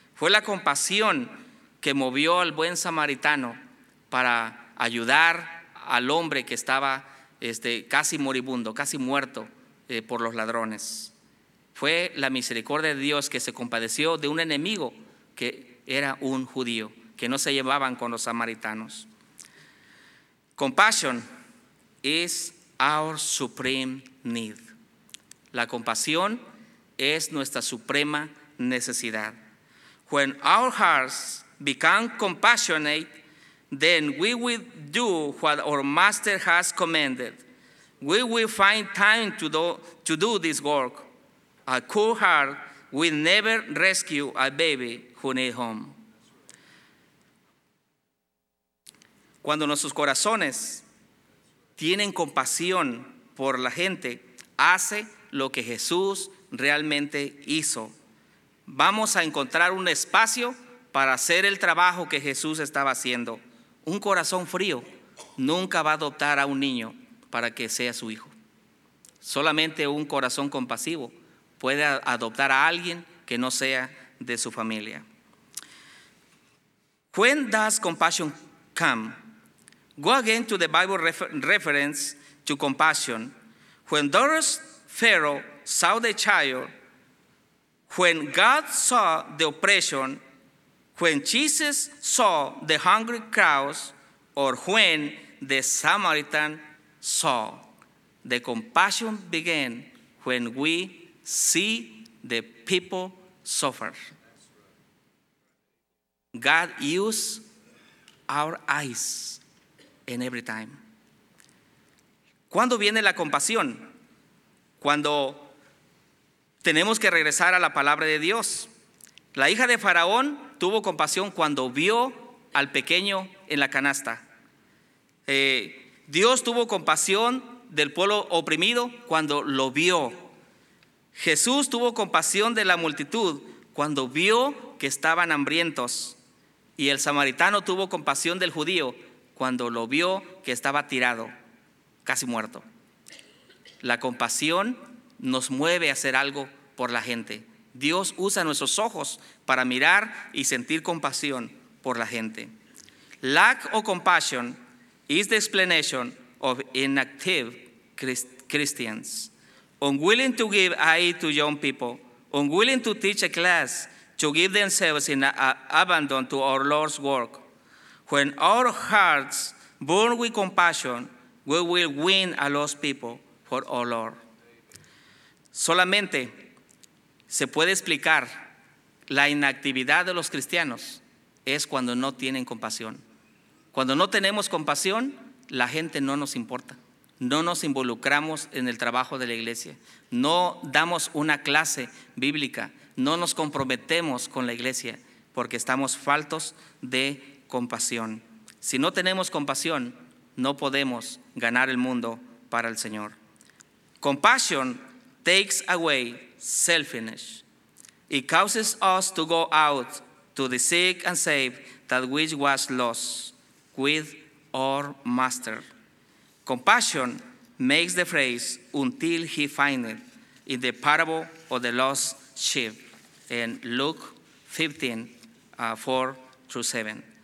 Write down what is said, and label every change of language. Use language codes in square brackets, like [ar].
[es] Fue la compasión que movió al buen samaritano para ayudar al hombre que estaba casi moribundo, casi muerto por los ladrones. Fue la misericordia de Dios que se compadeció de un enemigo que era un judío, que no se llevaban con los samaritanos. [en] Compassion is our supreme need. [es] La compasión es nuestra suprema necesidad. [en] When our hearts become compassionate, then we will do what our master has commanded. We will find time to do this work. A cool heart will never rescue a baby who needs home. [es] Cuando nuestros corazones tienen compasión por la gente, hace lo que Jesús realmente hizo. Vamos a encontrar un espacio para hacer el trabajo que Jesús estaba haciendo. Un corazón frío nunca va a adoptar a un niño para que sea su hijo. Solamente un corazón compasivo puede adoptar a alguien que no sea de su familia. [en] When does compassion come? Go again to the Bible reference to compassion. When Doris Pharaoh saw the child, when God saw the oppression, when Jesus saw the hungry crowds, or when the Samaritan saw. The compassion began when we see the people suffer. God used our eyes in every time. [es] ¿Cuándo viene la compasión? Cuando tenemos que regresar a la palabra de Dios. La hija de Faraón tuvo compasión cuando vio al pequeño en la canasta. Dios tuvo compasión del pueblo oprimido cuando lo vio. Jesús tuvo compasión de la multitud cuando vio que estaban hambrientos. Y el samaritano tuvo compasión del judío cuando lo vio que estaba tirado, casi muerto. La compasión nos mueve a hacer algo por la gente. Dios usa nuestros ojos para mirar y sentir compasión por la gente. [en] Lack of compassion is the explanation of inactive Christians, unwilling to give aid to young people, unwilling to teach a class, to give themselves in abandon to our Lord's work. When our hearts burn with compassion, we will win a lost people. for our Lord. [es] Solamente se puede explicar la inactividad de los cristianos es cuando no tienen compasión. Cuando no tenemos compasión, la gente no nos importa. No nos involucramos en el trabajo de la iglesia. No damos una clase bíblica. No nos comprometemos con la iglesia porque estamos faltos de compasión. Si no tenemos compasión, no podemos ganar el mundo para el Señor. [en] Compassion takes away selfishness. It causes us to go out to the sick and save that which was lost with our master. Compassion makes the phrase until he finds it in the parable of the lost sheep in Luke 15:4-7.